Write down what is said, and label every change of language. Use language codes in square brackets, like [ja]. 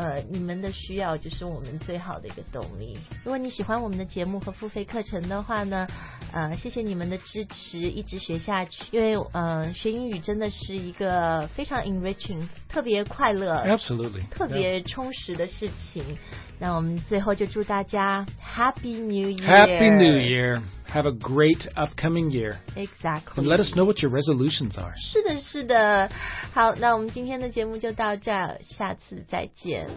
[zh] 你们的需要就是我们最好的一个动力。如果你喜欢我们的节目和付费课程的话呢，谢谢你们的支持，一直学下去。因为学英语真的是一个非常 enriching, 特别快乐。 [en] Absolutely. [zh] 特别充实的事情。那我们最后就祝大家 [en] Happy New Year. Happy New Year. Have a great upcoming year. Exactly. And let us know what your resolutions are. [zh] 是的，是的。好，那我们今天的节目就到这儿，下次再见。